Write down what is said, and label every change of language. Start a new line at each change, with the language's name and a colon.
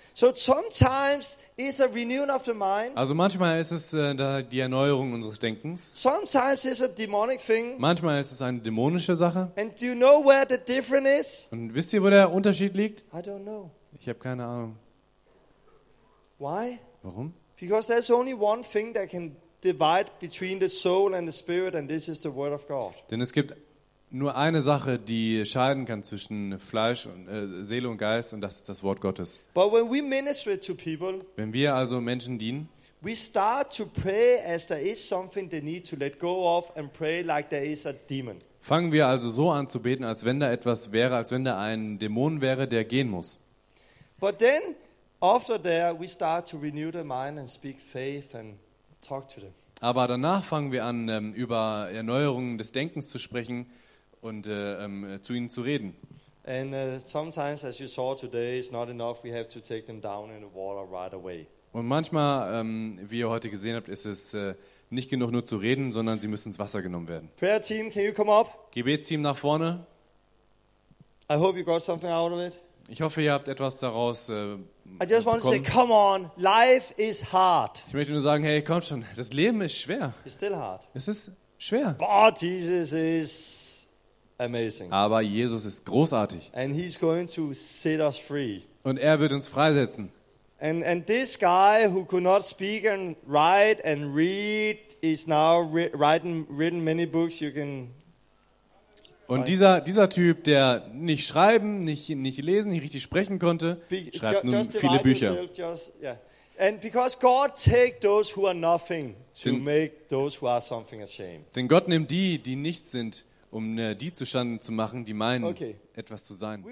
English: So sometimes is a renewing of the mind.
German: Also manchmal ist es die Erneuerung unseres Denkens.
English: Sometimes is a demonic thing.
German: Manchmal ist es eine dämonische Sache.
English: And do you know where the difference is?
German: Und wisst ihr, wo der Unterschied liegt?
English: I don't know.
German: Ich habe keine Ahnung.
English: Why?
German: Warum?
English: Because there's only one thing that can divide between the soul and the spirit, and this is the word of God.
German: Denn es gibt nur eine Sache, die scheiden kann zwischen Fleisch und Seele und Geist, und das ist das Wort Gottes.
English: But when we minister to people,
German: wenn wir also Menschen dienen,
English: we start to pray as there is something they need to let go of and pray like there is a demon.
German: Fangen wir also so an zu beten, als wenn da etwas wäre, als wenn da ein Dämon wäre, der gehen muss.
English: But then after there we start to renew the mind and speak faith and talk to them.
German: Aber danach fangen wir an, über Erneuerungen des Denkens zu sprechen und zu ihnen zu reden.
English: And sometimes, as you saw today, it's not enough. We have to take them down in the water right away.
German: Und manchmal, wie ihr heute gesehen habt, ist es nicht genug, nur zu reden, sondern sie müssen ins Wasser genommen werden.
English: Prayer team, can you come up?
German: Gebetsteam nach vorne.
English: I hope you got something out of it.
German: Ich hoffe, ihr habt etwas daraus
English: I just want To say, come on, life is hard.
German: Ich möchte nur sagen, hey, komm schon, das Leben ist schwer.
English: It's still hard.
German: Es ist schwer.
English: But Jesus is amazing.
German: Aber Jesus ist großartig.
English: And he's going to set us free.
German: Und er wird uns freisetzen.
English: And this guy who could not speak and write and read is now written many books you can.
German: Und dieser Typ, der nicht schreiben, nicht lesen, nicht richtig sprechen konnte, schreibt nun viele Bücher. Denn Gott nimmt die, die nichts sind, um die zustande zu machen, die meinen, etwas zu sein.